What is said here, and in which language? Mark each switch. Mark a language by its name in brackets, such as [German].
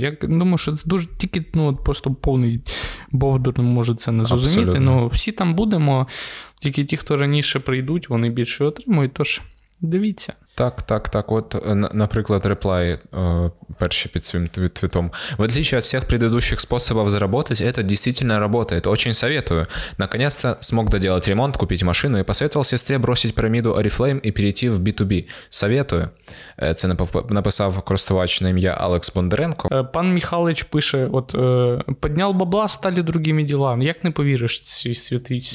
[Ukrainian] Я думаю, що це дуже тільки, ну, просто повний бовдур може це не зрозуміти. Ну, всі там будемо, тільки ті, хто раніше прийдуть, вони більше отримують, тож дивіться. Так, так, так. От, наприклад, реплай перші під своїм твітом. [Russian] В отличие от всех предыдущих способов заработать, это действительно работает. Очень советую. Наконец-то смог доделать ремонт, купить машину и посоветовал сестре бросить пирамиду Oriflame и перейти в B2B. Советую. [Ukrainian] Це написав користувач на ім'я Алекс Бондаренко. Пан Михайлович пише, от, підняв бабла, стали другими ділами. Як не повіриш, святі